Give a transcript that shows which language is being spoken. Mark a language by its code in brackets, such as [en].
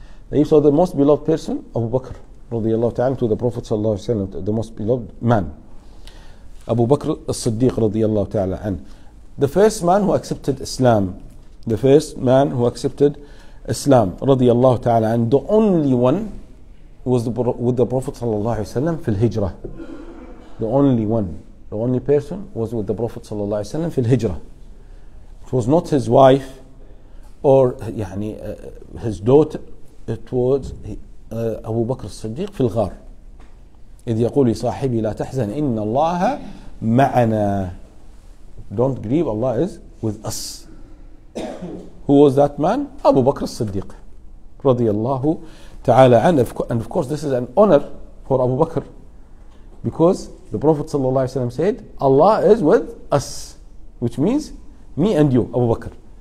[en] طيب so the most beloved person [ar] أبو بكر رضي الله تعالى [en] to the Prophet [ar] صلى الله عليه وسلم [en] the most beloved man [ar] أبو بكر الصديق رضي الله تعالى عنه [en] the first man who accepted Islam the first man who accepted Islam [ar] رضي الله تعالى عنه [en] the only one was with the Prophet [ar] صلى الله عليه وسلم في الهجرة. [en] The only one, the only person was with the Prophet [ar] صلى الله عليه وسلم في الهجرة. [en] It was not his wife or يعني his daughter. It was [ar] أبو بكر الصديق في الغار. إذ يقول لصاحبي لا تحزن إن الله معنا. [en] Don't grieve, Allah is with us. Who was that man? [ar] أبو بكر الصديق رضي الله تعالى عنه [en] and of course this is an honor for Abu Bakr because the Prophet [ar] صلى الله عليه وسلم [en] said Allah is with us which means me and you Abu Bakr